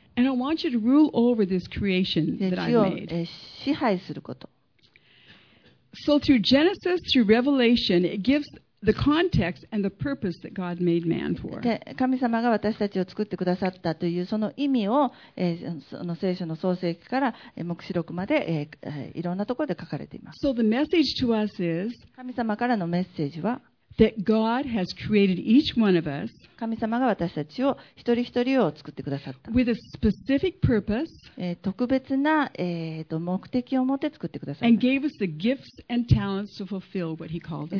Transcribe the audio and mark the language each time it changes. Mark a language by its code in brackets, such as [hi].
[en] And I want you to rule over this creation that I made. [ja] 支配すること。 [en] So through Genesis, through Revelation, it gives the context and the purpose that God made man for. [ja] 神様が私たちを作ってくださったというその意味を、その聖書の創世記から黙示録まで、いろんなところで書かれています。 [en] So the message to us is, [ja] 神様からのメッセージは、 [en] that God has created each one of us, [ja] 神様が私たちを一人一人を作ってくださった。 [en] with a specific purpose, [ja] 特別な、目的を持って作ってくださった。 [en] and gave us the gifts and talents to fulfill what He called us to do.